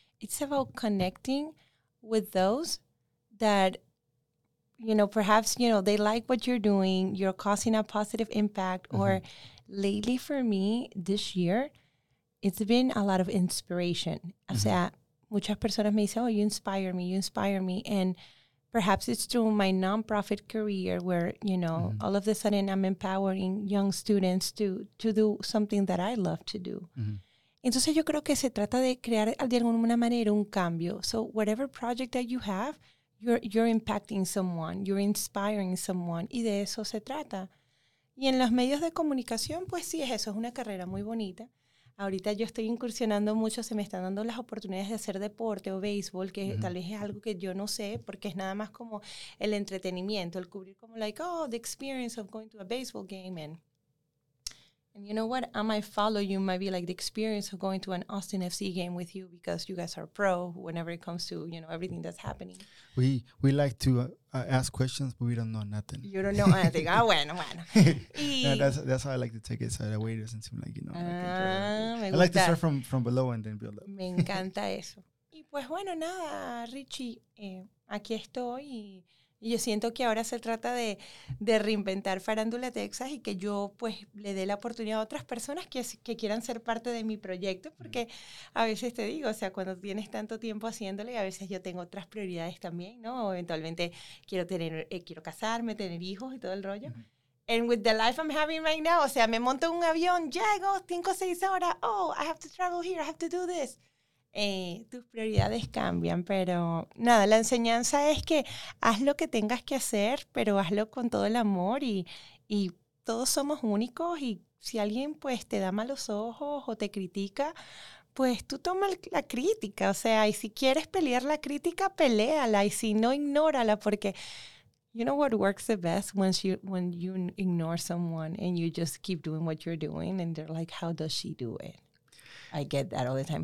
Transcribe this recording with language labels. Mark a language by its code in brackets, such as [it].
[en] It's about connecting with those that, you know, perhaps, you know, they like what you're doing, you're causing a positive impact, uh-huh. or lately for me, this year, it's been a lot of inspiration. Uh-huh. [es] O sea, muchas personas me dicen, [en] oh, you inspire me, and perhaps it's through my nonprofit career where, you know, all of a sudden I'm empowering young students to do something that I love to do. [es] Entonces yo creo que se trata de crear de alguna manera un cambio. [en] So whatever project that you have, you're impacting someone, you're inspiring someone, [es] y de eso se trata. Y en los medios de comunicación, pues sí, es eso, es una carrera muy bonita. Ahorita yo estoy incursionando mucho, se me están dando las oportunidades de hacer deporte o béisbol, que tal vez es algo que yo no sé, porque es nada más como el entretenimiento, el cubrir como like, [en] oh, the experience of going to a baseball game. And you know what? I might follow you, might be like the experience of going to an Austin FC game with you because you guys are pro whenever it comes to, you know, everything that's happening. We like to ask questions, but we don't know nothing. You don't know anything. Ah, bueno. No, that's how I like to take it. So the way it doesn't seem like, you know. I like to start from below and then build up. [es] Me encanta eso. Y pues bueno, nada, Richie, aquí estoy. Y yo siento que ahora se trata de reinventar Farándula Texas y que yo pues le dé la oportunidad a otras personas que quieran ser parte de mi proyecto, porque a veces te digo, o sea, cuando tienes tanto tiempo haciéndolo y a veces yo tengo otras prioridades también, ¿no? O eventualmente quiero tener, quiero casarme, tener hijos y todo el rollo. [en] And with the life I'm having right now, [es] o sea, me monto en un avión, llego 5 o 6 horas, [en] oh, I have to travel here, I have to do this. [es] Tus prioridades cambian, pero nada, la enseñanza es que haz lo que tengas que hacer, pero hazlo con todo el amor y todos somos únicos y si alguien pues te da malos ojos o te critica, pues tú toma la crítica, o sea, y si quieres pelear la crítica, peléala y si no, ignórala porque [en] you know what works the best when you ignore someone and you just keep doing what you're doing and they're like, how does she do it? I get that all the time.